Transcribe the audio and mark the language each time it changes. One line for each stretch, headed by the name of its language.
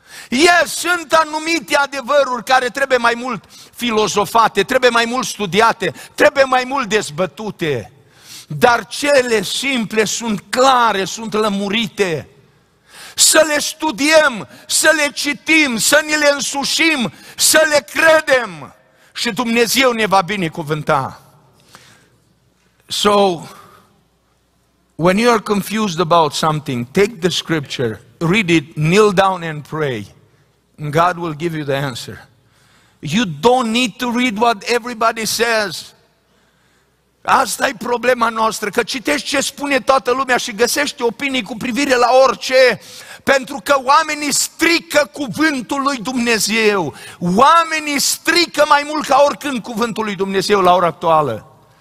Romanian: Yes, sunt anumite adevăruri care trebuie mai mult filozofate, trebuie mai mult studiate, trebuie mai mult dezbătute. Dar cele simple sunt clare, sunt lămurite. Să le studiem, să le citim, să ni le însușim, să le credem. Și Dumnezeu ne va binecuvânta.
English: So, when you are confused about something, take the scripture, read it, kneel down and pray. And God will give you the answer. You don't need to read what everybody says.
Romanian: Asta e problema noastră, că citești ce spune toată lumea și găsești opinii cu privire la orice. Pentru că oamenii strică cuvântul lui Dumnezeu. Oamenii strică mai mult ca oricând cuvântul lui Dumnezeu la ora actuală.